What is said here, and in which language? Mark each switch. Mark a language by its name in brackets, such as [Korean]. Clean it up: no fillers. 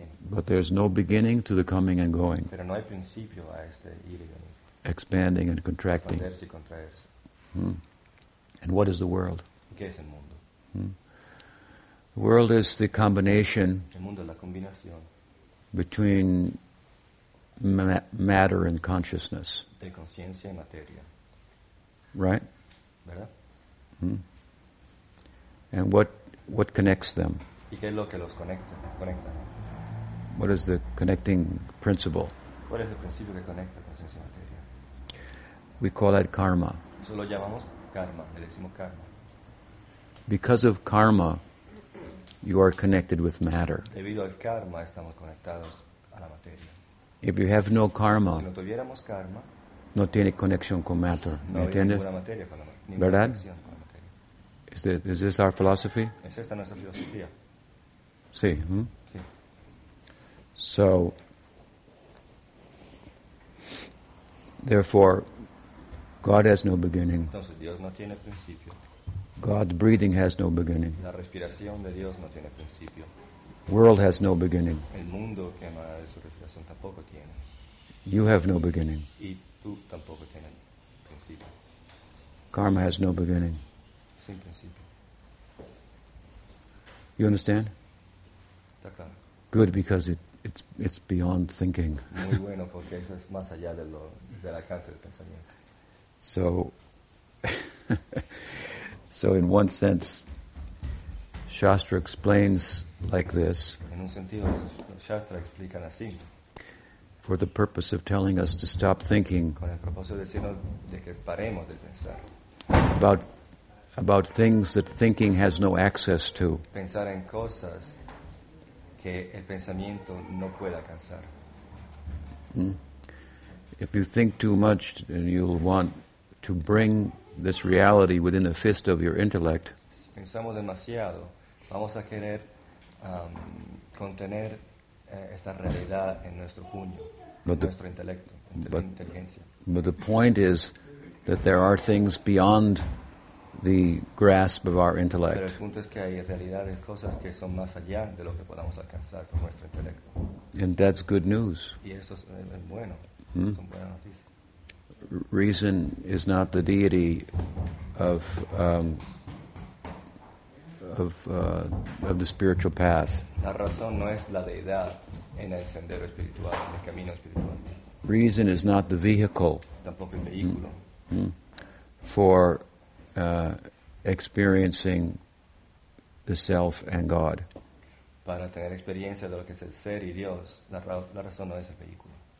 [English] But there's no beginning to the coming and going. [Spanish] Pero no hay principio a este ir y venir. [English] Expanding and contracting. [Spanish] Expanderse y contraerse. [English] And what is the world? [Spanish] ¿Qué es el mundo? [English] The world is the combination, [Spanish] el mundo es la combinación, [English] between matter and consciousness. [Spanish] De conciencia y materia. [English] Right? [Spanish] ¿Verdad? [English] And what connects them? [Spanish] ¿Y qué es lo que los conecta? [English] What is the connecting principle? [Spanish] ¿Cuál es el principio que conecta conciencia y materia? [English] We call that karma. [Spanish] Eso lo llamamos karma, le decimos karma. [English] Because of karma, you are connected with matter. [Spanish] Debido al karma, estamos conectados a la materia. [English] If you have no karma, [Spanish] si no tuviéramos karma, no tiene conexión con matter. No hay ninguna materia con la materia. ¿Verdad? Con la materia. [English] Is this our philosophy? [Spanish] ¿Es esta nuestra filosofía? Sí. Sí. [English] So, therefore, God has no beginning. [Spanish] Entonces, Dios no tiene principio. [English] God's breathing has no beginning. [Spanish] La respiración de Dios no tiene principio. [English] World has no beginning. [Spanish] El mundo que ama su respiración tampoco tiene. [English] You have no beginning. [Spanish] Y tú tampoco tienes principio. [English] Karma has no beginning. [Spanish] Sin principio. [English] You understand? [Spanish] Está claro. [English] Good, because it's beyond thinking. [Spanish] Muy bueno, porque eso es más allá de lo del alcance del pensamiento. [English] So in one sense, Shastra explains like this. [Spanish] En un sentido, Shastra explica así. [English] For the purpose of telling us to stop thinking. [Spanish] Con el propósito de decirnos de que paremos de pensar. [English] About things that thinking has no access to. [Spanish] Pensar en cosas que el pensamiento no puede alcanzar. [English] If you think too much, then you'll want to bring this reality within the fist of your intellect. [Spanish] Si pensamos demasiado, vamos a querer contener esta realidad en nuestro puño, nuestro intelecto, inteligencia. [English] But the point is that there are things beyond the grasp of our intellect. [Spanish] Pero el punto es que hay realidades, cosas que son más allá de lo que podamos alcanzar con nuestro intelecto. [English] And that's good news. [Spanish] Y eso es bueno. Son buenas noticias. [English] Reason is not the deity of the spiritual path. [Spanish] La razón no es la deidad en el sendero espiritual, en el camino espiritual. [English] Reason is not the vehicle. [Spanish] Tampoco el vehículo. [English] For experiencing the self and God. [Spanish] Para tener experiencia de lo que es el ser y Dios, la razón no es el vehículo.